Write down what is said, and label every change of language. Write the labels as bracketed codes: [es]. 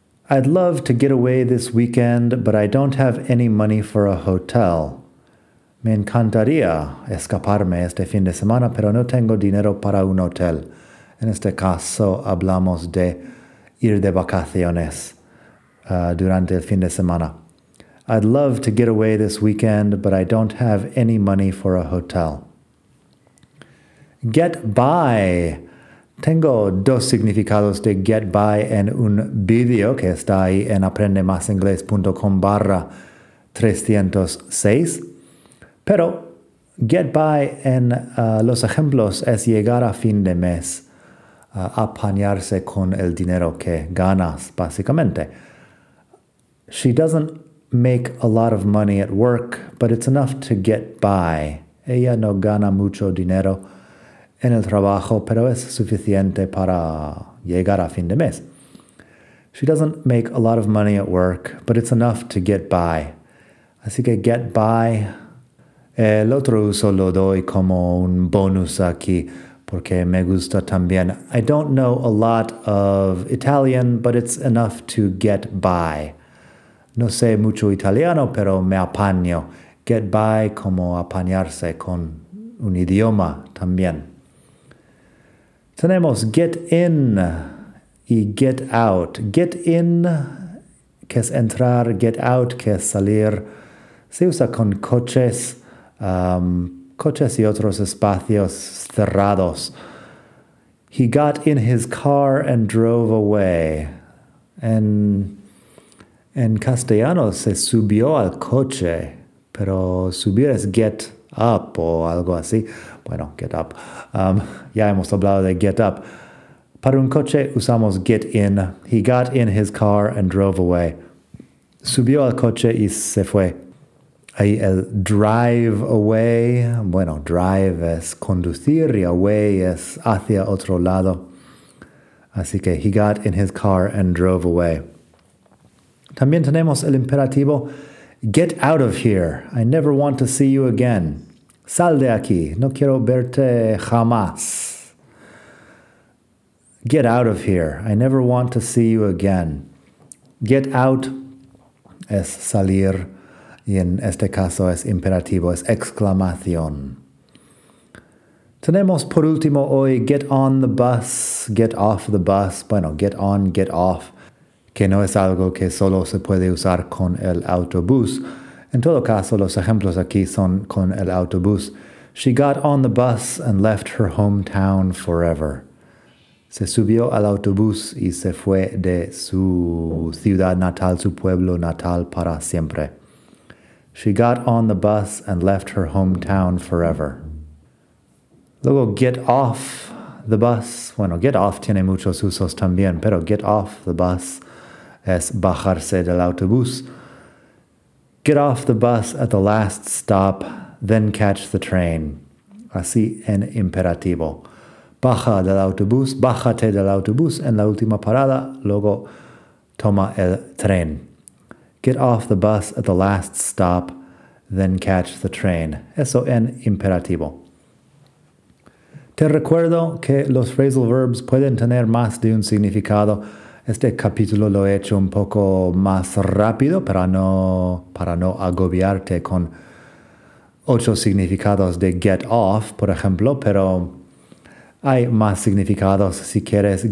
[en] I'd love to get away this weekend, but I don't have any money for a hotel. [es] Me encantaría escaparme este fin de semana, pero no tengo dinero para un hotel. En este caso, hablamos de ir de vacaciones durante el fin de semana. [en] I'd love to get away this weekend, but I don't have any money for a hotel. Get by. [es] Tengo dos significados de get by en un video que está ahí en aprendemasingles.com/306. Pero get by en los ejemplos es llegar a fin de mes, apañarse con el dinero que ganas, básicamente. [en] She doesn't make a lot of money at work, but it's enough to get by. [es] Ella no gana mucho dinero en el trabajo, pero es suficiente para llegar a fin de mes. [en] She doesn't make a lot of money at work, but it's enough to get by. [es] Así que get by. El otro uso lo doy como un bonus aquí, porque me gusta también. [en] I don't know a lot of Italian, but it's enough to get by. [es] No sé mucho italiano, pero me apaño. Get by como apañarse con un idioma también. Tenemos get in y get out. Get in, que es entrar, get out, que es salir. Se usa con coches, coches y otros espacios cerrados. [en] He got in his car and drove away. [es] En castellano se subió al coche, pero subir es get up o algo así. Bueno, get up. Ya hemos hablado de get up. Para un coche usamos get in. [en] He got in his car and drove away. [es] Subió al coche y se fue. Ahí el drive away. Bueno, drive es conducir y away es hacia otro lado. Así que [en] he got in his car and drove away. [es] También tenemos el imperativo [en] get out of here. I never want to see you again. [es] Sal de aquí. No quiero verte jamás. [en] Get out of here. I never want to see you again. Get out [es] es salir. Y en este caso es imperativo, es exclamación. Tenemos por último hoy [en] get on the bus, get off the bus. [es] Bueno, get on, get off. Que no es algo que solo se puede usar con el autobús. En todo caso, los ejemplos aquí son con el autobús. [en] She got on the bus and left her hometown forever. [es] Se subió al autobús y se fue de su ciudad natal, su pueblo natal, para siempre. [en] She got on the bus and left her hometown forever. [es] Luego, get off the bus. Bueno, get off tiene muchos usos también, pero get off the bus es bajarse del autobús. [en] Get off the bus at the last stop, then catch the train. [es] Así en imperativo. Baja del autobús, bájate del autobús en la última parada, luego toma el tren. [en] Get off the bus at the last stop, then catch the train. [es] Eso en imperativo. Te recuerdo que los phrasal verbs pueden tener más de un significado. Este capítulo lo he hecho un poco más rápido para no agobiarte con 8 significados de get off, por ejemplo, pero hay más significados si quieres.